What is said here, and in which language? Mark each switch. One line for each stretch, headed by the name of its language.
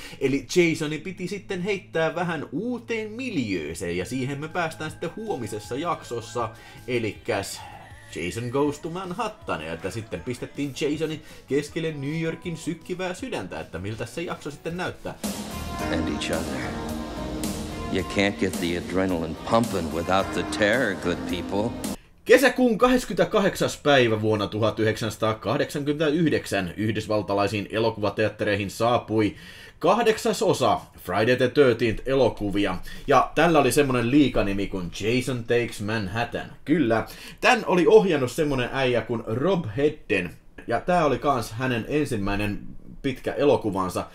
Finnish: Eli Jasoni piti sitten heittää vähän uuteen miljööseen, ja siihen me päästään sitten huomisessa jaksossa, elikäs Jason Goes to Manhattan, että sitten pistettiin Jasonin keskelle New Yorkin sykkivää sydäntä, että miltä se jakso sitten näyttää.
English: And each other. You can't get the adrenaline pumping without the terror, good people.
Finnish: Kesäkuun 28. päivä vuonna 1989 yhdysvaltalaisiin elokuvateattereihin saapui 8. osa Friday the 13th -elokuvia, ja tällä oli semmoinen liikanimi kuin Jason Takes Manhattan. Kyllä, tän oli ohjannut semmoinen äijä kuin Rob Hedden, ja tää oli kans hänen ensimmäinen pitkä elokuvansa.